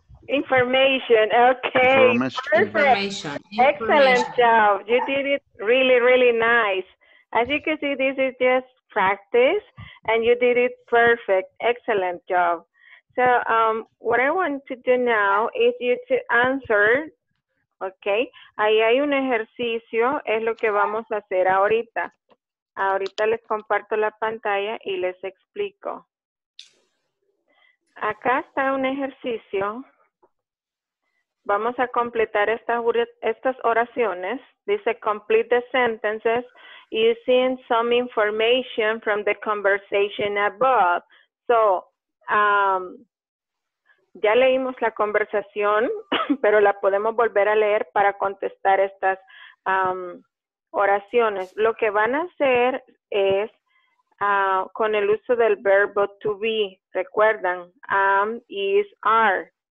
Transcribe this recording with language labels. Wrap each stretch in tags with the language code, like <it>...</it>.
<en>Information, okay. Information. Information. Excellent job. You did it really, really nice. As you can see, this is just practice, and you did it perfect. Excellent job. So what I want to do now is you to answer.</en> <es>Ok, ahí hay un ejercicio, es lo que vamos a hacer ahorita. Ahorita les comparto la pantalla y les explico. Acá está un ejercicio. Vamos a completar estas oraciones.</es> <en>Dice, complete the sentences using some information from the conversation above.</en> <es>So, ya leímos la conversación, pero la podemos volver a leer para contestar estas oraciones. Lo que van a hacer es con el uso del verbo to be, recuerdan, am, is, are.</es>